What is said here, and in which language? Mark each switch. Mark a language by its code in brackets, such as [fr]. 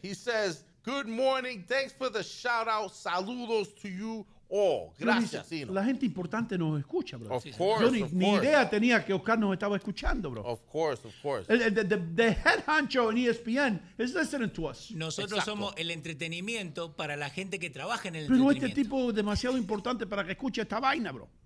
[en] He says, good morning, thanks for the shout out, saludos to you. [es] Oh, gracias, Sino. La gente importante nos escucha, bro. [en] Of course, [es] yo ni idea tenía que Oscar nos estaba escuchando, bro. [en] Of course. The head honcho en ESPN is listening to us. [es] Nosotros somos el entretenimiento para la gente que trabaja en el Pero entretenimiento. Este tipo es demasiado importante para que escuche esta vaina, bro.